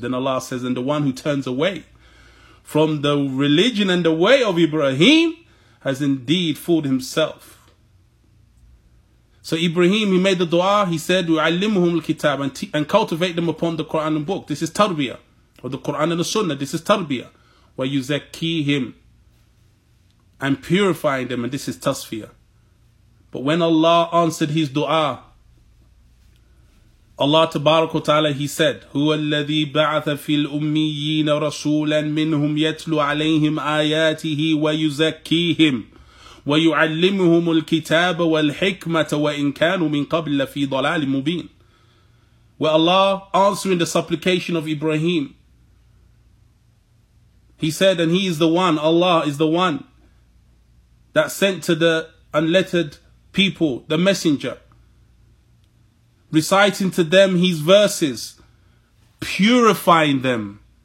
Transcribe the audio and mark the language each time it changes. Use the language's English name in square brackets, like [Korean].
[English] Then Allah says, and the one who turns away from the religion and the way of Ibrahim has indeed fooled himself. So Ibrahim, he made the dua, he said, [Arabic] وَعَلِّمُهُمُ الْكِتَابَ, [English] and cultivate them upon the Quran and book. This is tarbiyah, or the Quran and the Sunnah, this is tarbiyah. [Arabic] وَيُزَكِّيهِمْ, [English] and purifying them, and this is tasfiyah. But when Allah answered his dua, Allah tabarak wa ta'ala, he said, [Arabic] هُوَ الَّذِي بَعَثَ فِي الْأُمِّيِّينَ رَسُولًا مِّنْهُمْ يَتْلُ عَلَيْهِمْ آيَاتِهِ وَيُزَكِّيهِمْ وَيُعَلِّمُهُمُ الْكِتَابَ وَالْحِكْمَةَ وَإِنْ كَانُوا مِنْ قَبْلَ فِي ضَلَالٍ مُبِينٍ. [English] Where Allah, answering the supplication of Ibrahim, he said, and he is the one, Allah is the one that sent to the unlettered people, the messenger, reciting to them his verses, purifying them,